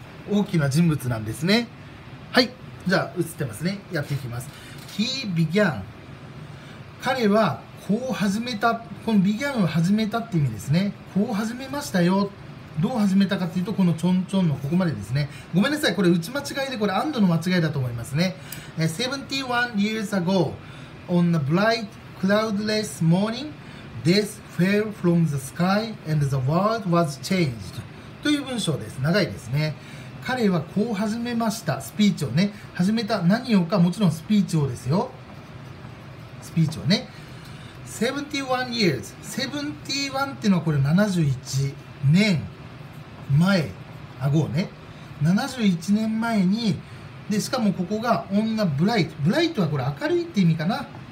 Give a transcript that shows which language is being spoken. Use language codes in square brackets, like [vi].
[ja] 大きな人物なんですね。はい、じゃあ映ってますね。やっていきます。 [en] He began、 [ja] 彼はこう始めた。この began を始めたって意味ですね。こう始めましたよ。どう始めたかっていうと、このちょんちょんのここまでですね。ごめんなさい、これ打ち間違いで、これ and の間違いだと思いますね。 [en] 71 years ago on a bright cloudless morning death fell from the sky and the world was changed [ja] という文章です。長いですね。彼はこう始めました、スピーチをね、始めた何をか、もちろんスピーチをですよ、スピーチをね。 [en] 71 years、 [ja] 71っていうのはこれ71年前、あごね、71年前に、でしかもここが女ブライト、ブライトはこれ明るいって意味かな。